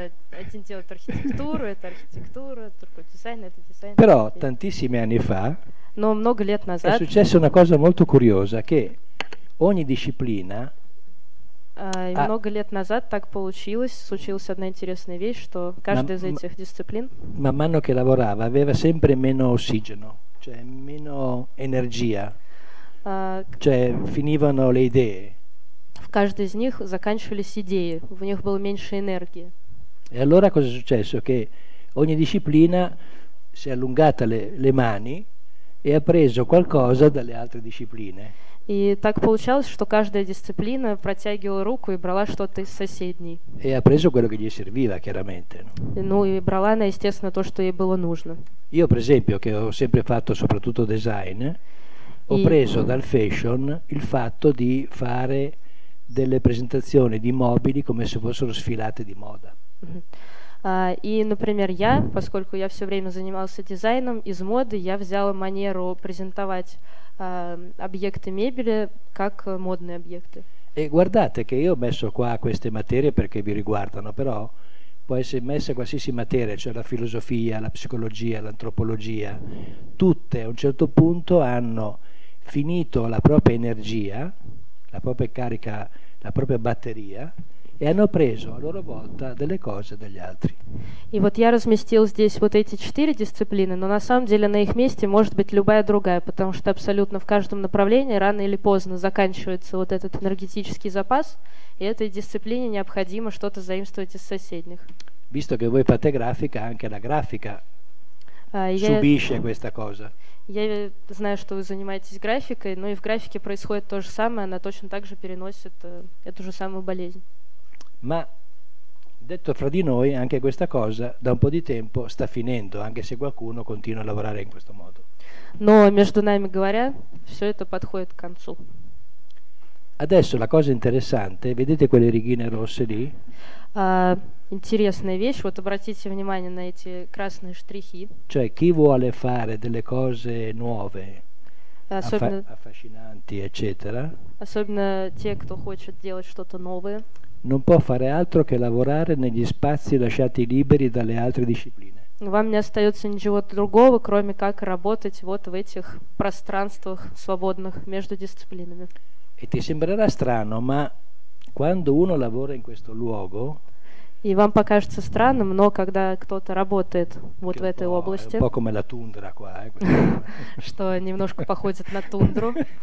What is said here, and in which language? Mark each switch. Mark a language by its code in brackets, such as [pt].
[ru] Один делает архитектуру, это архитектура, другой дизайн, это дизайн. [it] Però tantissimi anni fa. [ru] Но много лет назад. [it] È successa una cosa molto curiosa, che ogni disciplina. [ru] Много лет назад так получилось, случилась одна интересная вещь, что каждая из этих дисциплин. [it] Man mano che lavorava aveva sempre meno ossigeno, cioè meno energia. Cioè finivano le idee. [ru] В каждой из них заканчивались идеи, в них было меньше энергии. [it] E allora cosa è successo? Che ogni disciplina si è allungata le mani e ha preso qualcosa dalle altre discipline. [ru] И так получалось, что каждая дисциплина протягивала руку и брала что-то из соседней. [it] E ha preso quello che gli serviva, chiaramente. [ru] Ну и брала она, естественно, то, что ей было нужно. [it] Io, per esempio, che ho sempre fatto soprattutto design, ho preso dal fashion il fatto di fare delle presentazioni di mobili come se fossero sfilate di moda. [ru] И, например, я, поскольку я все время занимался дизайном из моды, я взяла манеру презентовать объекты мебели как модные объекты. [it] E guardate che io ho messo qua queste materie perché vi riguardano, però può essere messa qualsiasi materia, cioè la filosofia, la psicologia, l'antropologia, tutte a un certo punto hanno finito la propria energia, la propria carica, la propria batteria e hanno preso a loro volta delle cose dagli altri. [ru] И вот я разместил здесь вот эти четыре дисциплины, но на самом деле на их месте может быть любая другая, потому что абсолютно в каждом направлении рано или поздно заканчивается вот этот энергетический запас, и этой дисциплине необходимо что-то заимствовать из соседних. [it] Visto che voi fate grafica, anche la grafica subisce questa cosa. [ru] Я знаю, что вы занимаетесь графикой, но и в графике происходит то же самое, она точно так же переносит эту же самую болезнь. [it] Ma detto fra di noi, anche questa cosa da un po' di tempo sta finendo, anche se qualcuno continua a lavorare in questo modo. [ru] Но между нами говоря, все это подходит к концу. [it] Adesso la cosa interessante, vedete quelle righine rosse lì? [ru] Интересная вещь, вот обратите внимание на эти красные штрихи. [it] Cioè chi vuole fare delle cose nuove, affascinanti, eccetera. [ru] Особенно те, кто хочет делать что-то новое. [it] Non può fare altro che lavorare negli spazi lasciati liberi dalle altre discipline. [ru] Вам не остается ничего другого, кроме как работать вот в этих пространствах свободных между дисциплинами. [it] E ti sembrerà strano, ma quando uno lavora in questo luogo. [ru] И вам покажется странным, но когда кто-то работает вот в этой области. [it] Un po' come la tundra qua, [ru] Что немножко походит на тундру.